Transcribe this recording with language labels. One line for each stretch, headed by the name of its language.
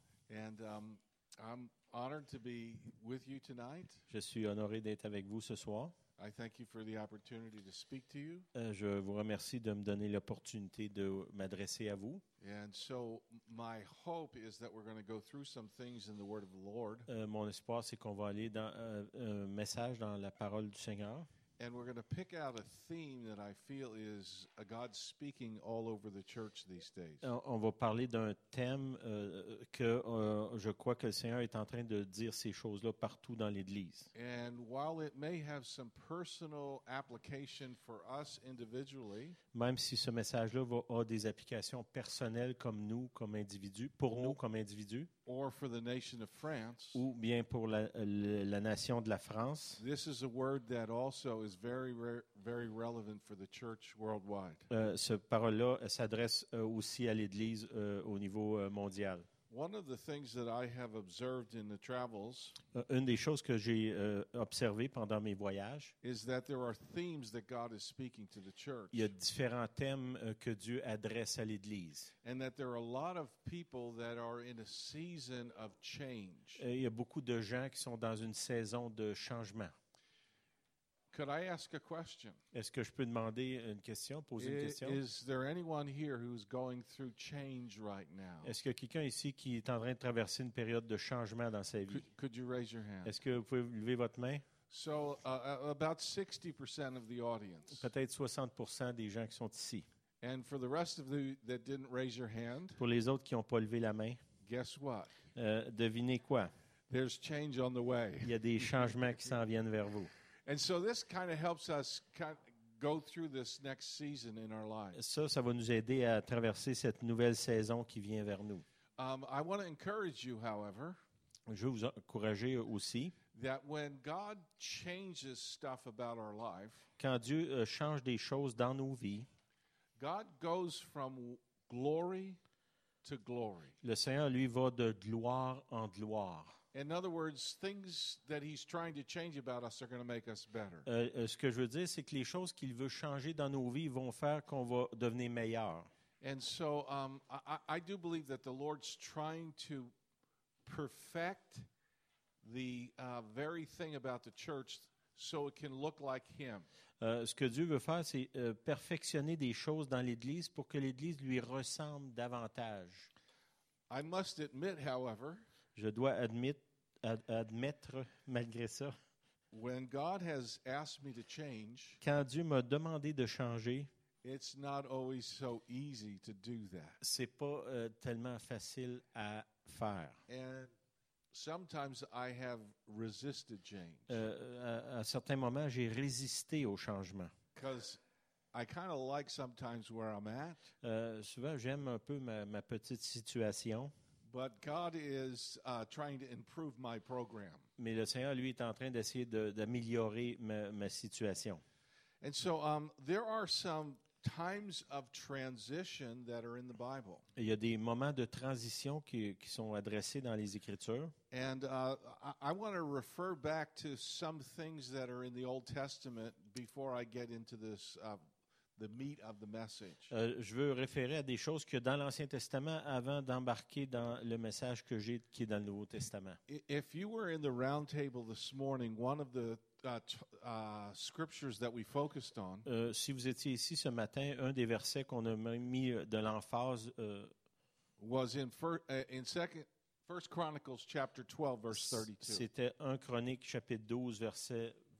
English: And I'm honored to be with you tonight.
French: Je suis honoré d'être avec vous ce soir.
English: I thank you for the opportunity to speak to you.
French: Je vous remercie de me donner l'opportunité de m'adresser à vous.
English: And so my hope is that we're going to go through some things in the Word of the Lord.
French: Mon espoir c'est qu'on va aller dans un message dans la parole du Seigneur.
English: And we're going to pick out a theme that I feel is a God speaking all over the church these days.
French: On va parler d'un thème que je crois que le Seigneur est en train de dire ces choses-là partout dans l'Église.
English: And while it may have some personal application for us individually,
French: même si ce message-là va avoir des applications personnelles comme nous, comme individus, pour nous comme individus,
English: or for the nation of France,
French: ou bien pour la nation de la France,
English: this is a word that also is very, very relevant for the church worldwide.
French: Ce parole-là s'adresse aussi à l'Église au niveau mondial.
English: One of the things that I have observed in the travels,
French: une des choses que j'ai observé pendant mes voyages,
English: is that there are themes that God is speaking to the church.
French: Il y a différents thèmes que Dieu adresse à l'Église.
English: And that there are a lot of people that are in a season of change.
French: Et il y a beaucoup de gens qui sont dans une saison de changement.
English: Could I ask a question?
French: Est-ce que je peux demander une question, poser une question?
English: Is there anyone here who's going through change right now?
French: Est-ce qu'il y a quelqu'un ici qui est en train de traverser une période de changement dans sa vie?
English: Could you raise your hand?
French: Est-ce que vous pouvez lever votre main?
English: So about 60% of the audience.
French: Peut-être 60% des gens qui sont ici.
English: And for the rest of you that didn't raise your hand.
French: Pour les autres qui n'ont pas levé la main.
English: Guess what?
French: Devinez quoi?
English: There's change on the way.
French: Il y a des changements qui s'en viennent vers vous.
English: And so this kind of helps us go through this next season in our lives.
French: Ça va nous aider à traverser cette nouvelle saison qui vient vers nous.
English: I want to encourage you, however,
French: je veux vous encourager aussi,
English: that when God changes stuff about our life,
French: quand Dieu change des choses dans nos vies,
English: God goes from glory to glory.
French: Le Seigneur lui va de gloire en gloire.
English: In other words, things that he's trying to change about us are going to make us better.
French: Ce que je veux dire, c'est que les choses qu'il veut changer dans nos vies vont faire qu'on va devenir meilleur.
English: And so I do believe that the Lord's trying to perfect the very thing about the church so it can look like him.
French: Ce que Dieu veut faire, c'est perfectionner des choses dans l'Église pour que l'Église lui ressemble davantage.
English: I must admit, however,
French: je dois admettre malgré ça.
English: When God has asked me to change,
French: quand Dieu m'a demandé de changer,
English: it's not always so easy to do that.
French: C'est pas tellement facile à faire.
English: And sometimes I have resisted change.
French: À certains moments, j'ai résisté au changement.
English: Because I kind of like sometimes where I'm at.
French: Souvent, j'aime un peu ma petite situation.
English: But God is trying to improve my program.
French: Mais le Seigneur lui est en train d'essayer d'améliorer ma situation.
English: And so there are some times of transition that are in the Bible.
French: Il y a des moments de transition qui sont adressés dans les Écritures.
English: And I want to refer back to some things that are in the Old Testament before I get into this the meat of the message.
French: Je veux référer à des choses que dans l'Ancien Testament avant d'embarquer dans le message que j'ai qui est dans le Nouveau Testament.
English: If you were in the round table this morning, one of the scriptures that we focused on.
French: Si vous étiez ici ce matin, un des versets qu'on a mis de l'emphase
English: was in 1 Chronicles chapter 12 verse 32.
French: C'était 1 Chronique chapitre 12 verset